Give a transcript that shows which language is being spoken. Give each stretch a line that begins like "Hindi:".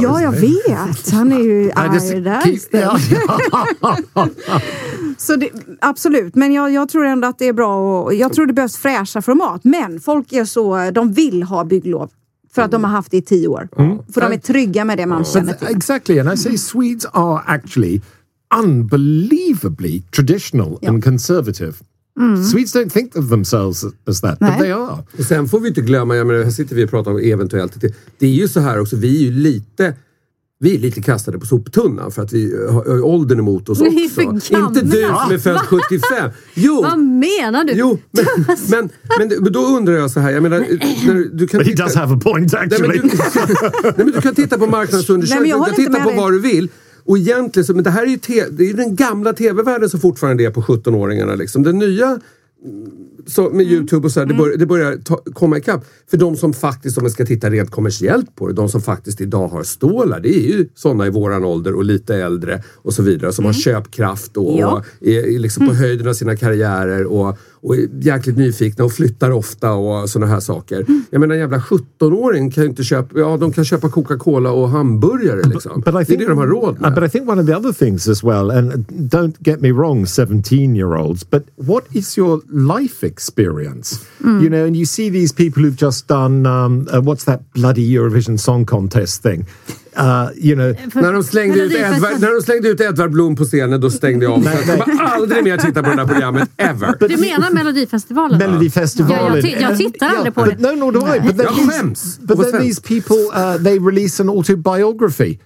Swedish: Ja, jag vet. Han är ju arg där. Så det, absolut. Men jag tror ändå att det är bra. Jag tror det behövs fräscha format. Men folk är så, de vill ha bygglov. För att de har haft det i 10 år. Mm. För de är trygga med det man känner till.
English: Exactly, and I say Swedes are actually unbelievably traditional and conservative. Mm. Swedes don't think of themselves as that.
Swedish: Nej.
English: But they are.
Swedish: Och sen får vi inte glömma, här sitter vi och pratar om eventuellt. Det är ju så här också, vi är ju lite Vi är lite kastade på soptunnan för att vi har åldern emot oss också. Inte du som är född 75. Jo. Vad menar du? Jo, men då undrar jag så här. Jag menar, när du kan titta,
English: but he does have a point actually.
Swedish: Nej, men du kan titta på marknadsundersökningar. Du kan titta på vad du vill. Och egentligen, så, men det här är ju det är den gamla tv-världen som fortfarande är på 17-åringarna. Liksom. Den nya... Så med YouTube och så här, det börjar komma ikapp. För de som faktiskt, om man ska titta rent kommersiellt på det, de som faktiskt idag har stålar, det är ju sådana i våran ålder och lite äldre och så vidare, som har köpkraft och är liksom på höjden av sina karriärer och är jäkligt nyfikna och flyttar ofta och sådana här saker. Mm. Jag menar, en jävla 17-åring kan ju inte köpa, ja, de kan köpa Coca-Cola och hamburgare liksom. Det är det de har råd med.
English: But I think one of the other things as well, and don't get me wrong, 17-year-olds, but what is your life experience? You know, and you see these people who've just done, what's that bloody Eurovision Song Contest thing? You know,
Swedish: när de slängde ut Edvard Blom på scenen, då stängde jag av. Jag kommer aldrig mer titta på det här programmet,
English: ever.
Swedish: Du menar Melodifestivalen? Melodifestivalen. Jag tittar aldrig på det. Jag skäms.
English: But then these people, they release an autobiography.